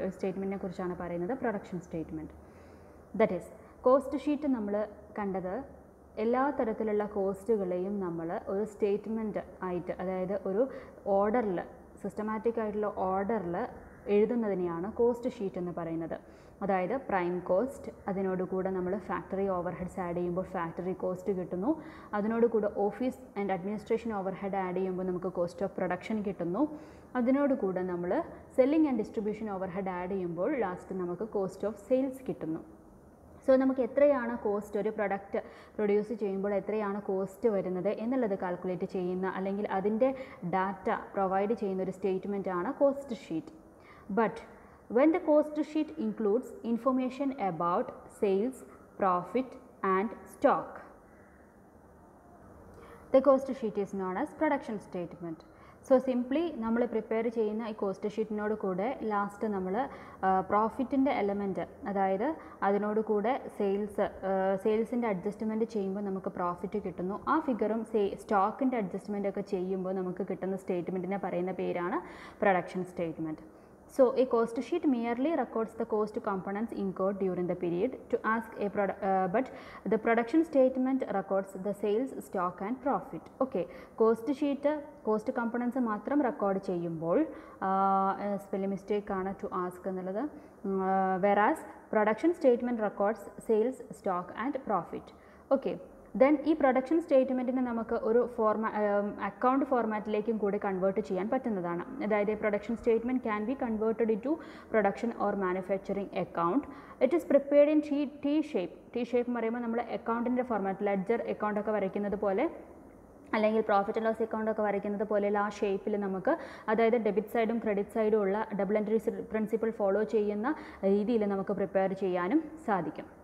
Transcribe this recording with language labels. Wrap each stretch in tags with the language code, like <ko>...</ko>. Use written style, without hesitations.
<ml>Oru statement ne kurichana parayunnathu production statement. That is, cost sheet nammala kandathu ella tarathilulla costukaleyum nammala oru statement aayittu, adayathu oru order la, systematic aayittulla order la എഴുതുന്നതിനെയാണ് cost sheet എന്ന് പറയുന്നത്. അതായത് prime cost, അതിനോടുകൂടെ നമ്മൾ factory overheads add ചെയ്യുമ്പോൾ factory cost കിട്ടുന്നു, അതിനോടുകൂടെ office and administration overhead add ചെയ്യുമ്പോൾ നമുക്ക് cost of production കിട്ടുന്നു, അതിനോടുകൂടെ നമ്മൾ selling and distribution overhead add ചെയ്യുമ്പോൾ ലാസ്റ്റ് നമുക്ക് കോസ്റ്റ് ഓഫ് സെയിൽസ് കിട്ടുന്നു. സോ നമുക്ക് എത്രയാണ് കോസ്റ്റ് ഒരു പ്രൊഡക്റ്റ് പ്രൊഡ്യൂസ് ചെയ്യുമ്പോൾ എത്രയാണ് കോസ്റ്റ് വരുന്നത് എന്നുള്ളത് കാൽക്കുലേറ്റ് ചെയ്യുന്ന അല്ലെങ്കിൽ അതിൻ്റെ ഡാറ്റ പ്രൊവൈഡ് ചെയ്യുന്ന ഒരു സ്റ്റേറ്റ്മെൻ്റ് ആണ് cost sheet.</ml> <en>But when the cost sheet includes information about sales, profit and stock, the cost sheet is known as production statement.</en> <ml>So simply നമ്മൾ പ്രിപ്പയർ ചെയ്യുന്ന ഈ കോസ്റ്റ് ഷീറ്റിനോട് കൂടെ ലാസ്റ്റ് നമ്മൾ പ്രോഫിറ്റിൻ്റെ എലമെൻറ്റ്, അതായത് അതിനോട് കൂടെ സെയിൽസിൻ്റെ അഡ്ജസ്റ്റ്മെൻറ്റ് ചെയ്യുമ്പോൾ നമുക്ക് പ്രോഫിറ്റ് കിട്ടുന്നു, ആ ഫിഗറും സ്റ്റോക്കിൻ്റെ അഡ്ജസ്റ്റ്മെൻ്റ് ഒക്കെ ചെയ്യുമ്പോൾ നമുക്ക് കിട്ടുന്ന സ്റ്റേറ്റ്മെൻറ്റിനെ പറയുന്ന പേരാണ് production statement.</ml> <en>So, a cost sheet merely records the cost components incurred during the period to ask a but the production statement records the sales, stock and profit.</en> <ml>Okay, cost sheet cost components മാത്രം record ചെയ്യുമ്പോൾ spelling mistake ആണ് to ask എന്നുള്ളത്.</ml> <en>Whereas production statement records sales, stock and profit.</en> <ml>Okay, then ഈ production സ്റ്റേറ്റ്മെൻറ്റിനെ നമുക്ക് ഒരു account ഫോർമാറ്റിലേക്കും കൂടി convert ചെയ്യാൻ പറ്റുന്നതാണ്.</ml> <en>അതായത് production statement can be converted into production or manufacturing account. It is prepared in T shape.</en> <ml>T shape എന്ന് പറയുമ്പോൾ നമ്മൾ അക്കൗണ്ടിൻ്റെ ഫോർമാറ്റ്, ലെഡ്ജർ അക്കൗണ്ടൊക്കെ വരയ്ക്കുന്നത് പോലെ അല്ലെങ്കിൽ പ്രോഫിറ്റ് ആൻഡ് ലോസ് അക്കൗണ്ട് ഒക്കെ വരയ്ക്കുന്നത് പോലെയുള്ള ആ ഷേപ്പിൽ നമുക്ക്, അതായത് ഡെബിറ്റ് സൈഡും ക്രെഡിറ്റ് സൈഡും ഉള്ള ഡബിൾ എൻട്രി പ്രിൻസിപ്പിൾ ഫോളോ ചെയ്യുന്ന രീതിയിൽ നമുക്ക് പ്രിപ്പയർ ചെയ്യാനും സാധിക്കും.</ml>